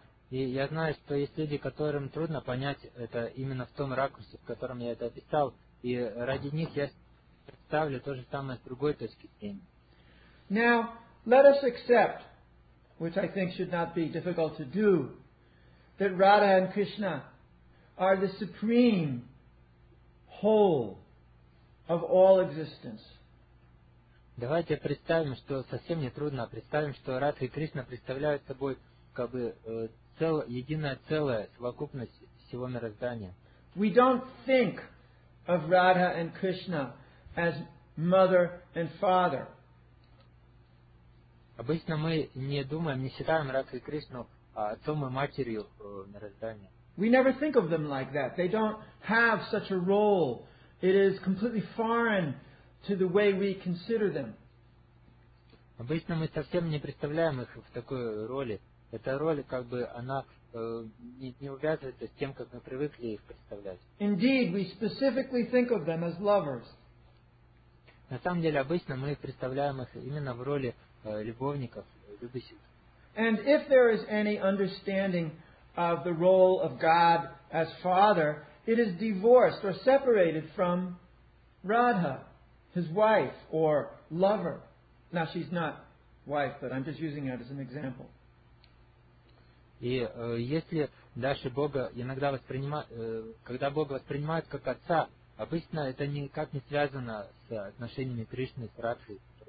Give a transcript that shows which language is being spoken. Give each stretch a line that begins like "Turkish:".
Russian: И я знаю, что есть люди, которым трудно понять это именно в том ракурсе, в котором я это описал, и ради них я представлю то же самое с другой точки зрения.
English: Now, let us accept, which I think should not be difficult to do, that Radha and Krishna are the supreme whole of all existence.
Russian: Давайте представим, что совсем не трудно, представим, что Радха и Кришна представляют собой как бы единое целое, совокупность всего мироздания.
English: We don't think of Radha and Krishna as mother and father.
Russian: Обычно мы не думаем, не считаем Радху и Кришну отцом и матерью мироздания.
English: We never think of them like that. They don't have such a role. It is completely foreign to the way we consider them.
Russian: Обычно мы совсем не представляем их в такой роли. Эта роль, как бы, она не увязывается с тем, как мы привыкли их представлять.
English: Indeed, we specifically think of them as lovers.
Russian: На самом деле, обычно мы представляем их именно в роли любовников, любящих.
English: And if there is any understanding of the role of God as Father, it is divorced or separated from Radha, his wife or lover. Now, she's not wife, but I'm just using that as an example.
Russian: И если даже Бога иногда воспринимают, когда Бога воспринимают как отца, обычно это никак не связано с отношениями Кришны с Радхой.